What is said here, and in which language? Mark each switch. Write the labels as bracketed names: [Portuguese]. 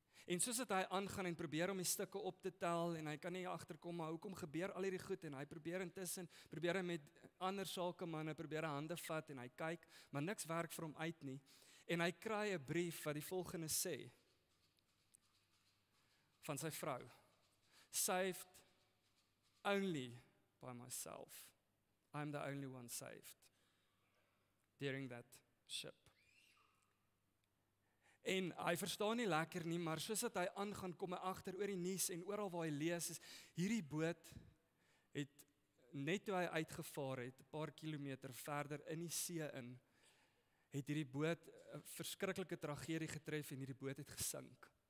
[Afrikaans] En soos het hy aangaan en probeer om die stukke op te tel en hy kan nie agterkom, maar hoekom gebeur al hierdie goed en hy probeer intussen, probeer hy met ander sake manne, probeer hy hande vat en hy kyk, maar niks werk vir hom uit nie. En hy kry 'n brief wat die volgende sê van sy vrou. [English] Saved only by myself. I'm the only one saved during that ship. [Afrikaans] En hy verstaan nie lekker nie, maar soos dat hy aangaan, kom hy achter oor die nuus en ooral waar hy lees, is, hierdie boot het net toe hy uitgevaar het, paar kilometer verder in die see in, het hierdie boot verskriklike tragedie getref en hierdie boot het gesink.